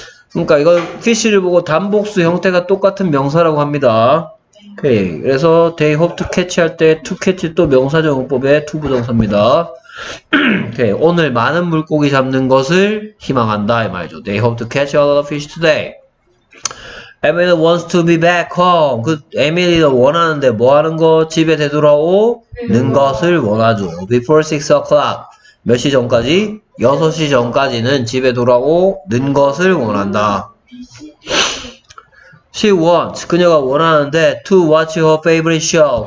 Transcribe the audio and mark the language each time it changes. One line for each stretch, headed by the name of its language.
Korean: 그러니까 이거 fish를 보고 단복수 형태가 똑같은 명사라고 합니다. 오케이. 그래서
English: they hope to catch
Korean: 할 때 to catch 또 명사적 용법의 to 부정사입니다. 오케이. 오늘 많은 물고기 잡는 것을 희망한다 이 말이죠.
English: they hope to catch a lot of fish today. Emily wants to be back home.
Korean: 그 에밀리가 원하는데 뭐 하는 거? 집에 되돌아오는 것을 원하죠.
English: Before 6 o'clock.
Korean: 몇 시 전까지? 6시 전까지는 집에 돌아오는 것을 원한다.
English: She wants.
Korean: 그녀가 원하는데
English: to watch her favorite show.